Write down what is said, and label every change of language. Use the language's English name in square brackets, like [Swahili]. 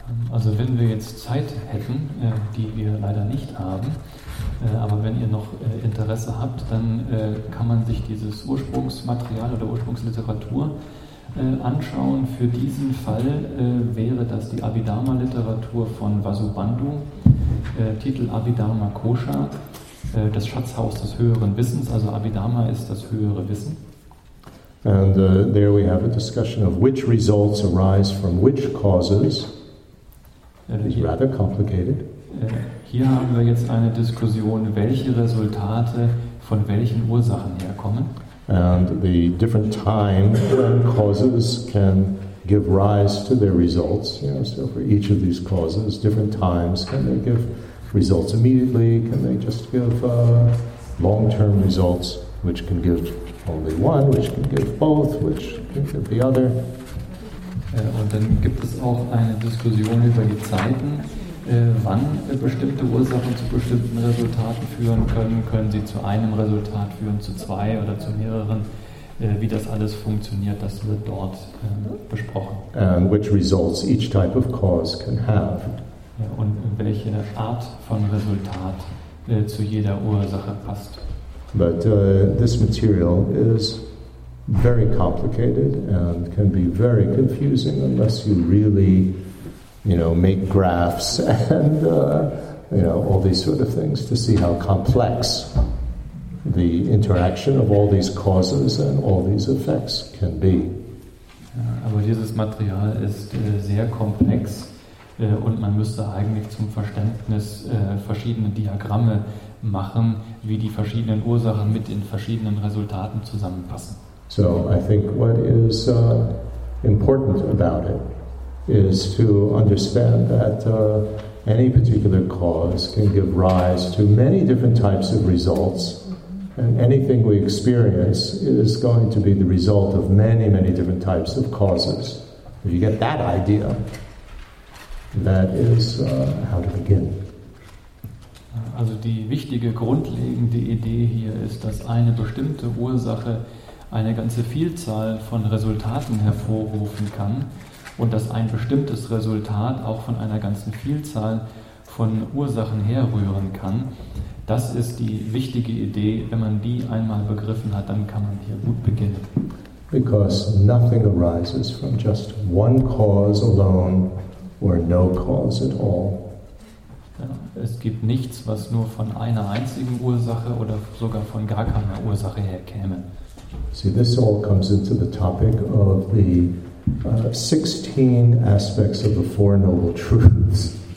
[German] Also wenn wir jetzt Zeit hätten, die wir leider nicht haben, aber wenn ihr noch Interesse habt, dann kann man sich dieses Ursprungsmaterial oder Ursprungsliteratur anschauen. Für diesen Fall wäre das die Abhidharma-Literatur von Vasubandhu, Titel Abhidharma Kosha, das Schatzhaus des höheren Wissens. Also Abhidharma ist das höhere Wissen. [English] And there we have a discussion of which results arise from which causes. It's rather complicated. [German] Hier haben wir jetzt eine Diskussion, welche Resultate von welchen Ursachen herkommen. [English] And the different time when causes can give rise to their results. Yeah, so for each of these causes, different times, can they give results immediately? Can they just give long-term results, which can give only one, which can give both, which can give the other? [German] Und dann gibt es auch eine Diskussion über die Zeiten, wann bestimmte Ursachen zu bestimmten Resultaten führen können. Können sie zu einem Resultat führen, zu zwei oder zu mehreren? Wie das alles funktioniert, das wird dort besprochen. [English] And which results each type of cause can have. [German] Und welche Art von Resultat zu jeder Ursache passt. [English] But this material is very complicated and can be very confusing unless you really, you know, make graphs and, you know, all these sort of things to see how complex the interaction of all these causes and all these effects can be. [German] Ja, aber dieses Material ist sehr komplex und man müsste eigentlich zum Verständnis verschiedene Diagramme machen, wie die verschiedenen Ursachen mit den verschiedenen Resultaten zusammenpassen. [English] So I think what is important about it is to understand that any particular cause can give rise to many different types of results, and anything we experience is going to be the result of many, many different types of causes. If you get that idea, that is how to begin. [German] Also die wichtige grundlegende Idee hier ist, dass eine bestimmte Ursache eine ganze Vielzahl von Resultaten hervorrufen kann und dass ein bestimmtes Resultat auch von einer ganzen Vielzahl von Ursachen herrühren kann. Das ist die wichtige Idee. Wenn man die einmal begriffen hat, dann kann man hier gut beginnen. [English] Because nothing arises from just one cause alone or no cause at all. [German] Ja, es gibt nichts, was nur von einer einzigen Ursache oder sogar von gar keiner Ursache herkäme. [English] See, this all comes into the topic of the 16 aspects of the Four Noble Truths.